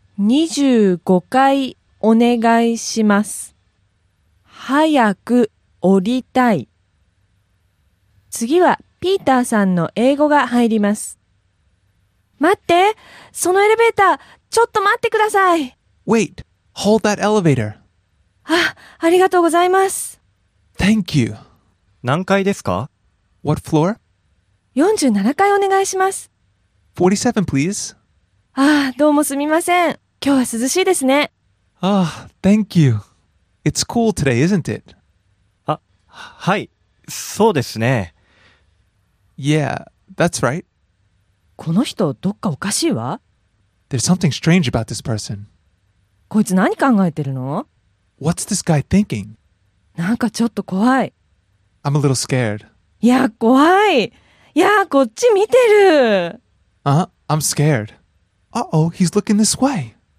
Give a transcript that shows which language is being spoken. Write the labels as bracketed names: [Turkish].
[Japanese] 25回お願いします。早く降りたい。次は、ピーターさんの英語が入ります。待って、そのエレベーター、ちょっと待ってください。 [English] Wait, hold that elevator. [Japanese] あ、ありがとうございます。 [English] Thank you. [Japanese] 何階ですか [English] ?What floor? [Japanese] 47階お願いします。 [English] 47, please. [Japanese] あ、どうもすみません。今日は涼しいですね。 [English] Ah, thank you. It's cool today, isn't it? [Japanese] あ、はい、そうですね。 [English] Yeah, that's right. [Japanese] この人どっかおかしいわ。 [English] There's something strange about this person. [Japanese] こいつ何考えてるの？ [English] What's this guy thinking? [Japanese] なんかちょっと怖い。 [English] I'm a little scared. [Japanese] いや、怖い。いや、こっち見てる。 [English] I'm scared. Uh-oh, he's looking this way.